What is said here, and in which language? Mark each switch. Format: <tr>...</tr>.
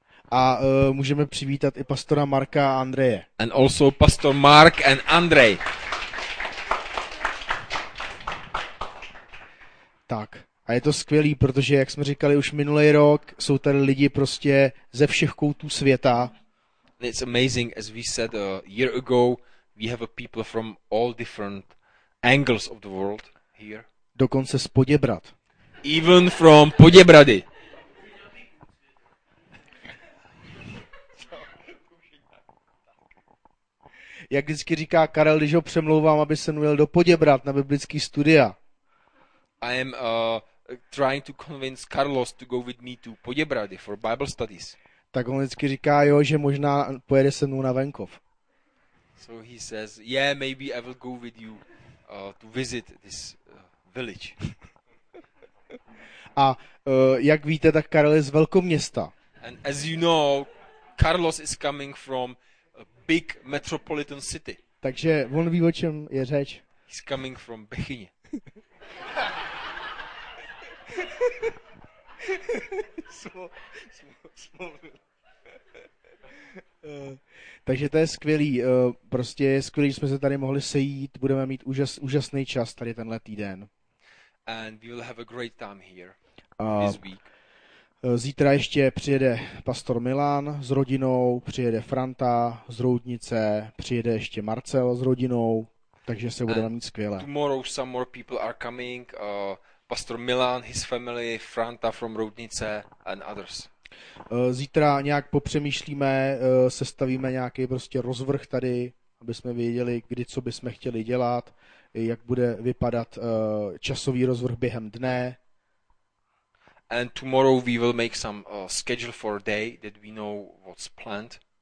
<cs>A můžeme přivítat i pastora Marka a Andreje.</cs> <en>And also pastor Mark and Andrej.</en> <cs>Tak, a je to skvělý, protože jak jsme říkali už minulý rok, jsou tady lidi prostě ze všech koutů světa.</cs> <en>And it's amazing, as we said a year ago, we have a people from all different angles of the world here.</en> <cs>Dokonce z Poděbrad.</cs> <en>Even from Poděbrady.</en> <cs>Jak vždycky říká Karel, když ho přemlouvám, aby se měl do Poděbrad na biblický studia.</cs> <en>I am trying to convince Carlos to go with me to Poděbrady for Bible studies.</en> <cs>Tak on vždycky říká, jo, že možná pojede se mnou na venkov.</cs> <en>So he says, yeah, maybe I will go with you to visit this village.</en> <cs>A jak víte, tak Karel je z velkoměsta.</cs> <en>And as you know, Carlos is coming from big metropolitan city.</en> <cs>Takže on ví, o čem je řeč.</cs> <en>He's coming from Bechyně.</en> <cs>Takže to je skvělý. Prostě je skvělý, že jsme se tady mohli sejít. Budeme mít úžasný čas tady tenhle týden.</cs> <en>And we will have a great time here this week.</en> <cs>Zítra ještě přijede pastor Milan s rodinou, přijede Franta z Roudnice, přijede ještě Marcel s rodinou, takže se budeme mít skvěle.</cs> <en>Tomorrow some more people are coming, pastor Milan, his family, Franta from Roudnice and others.</en> <cs>Zítra nějak popřemýšlíme, sestavíme nějaký prostě rozvrh tady, aby jsme věděli, kdy co bychom chtěli dělat, jak bude vypadat časový rozvrh během dne.</cs> <en>And tomorrow we will make some schedule for a day that we know what's planned.</en>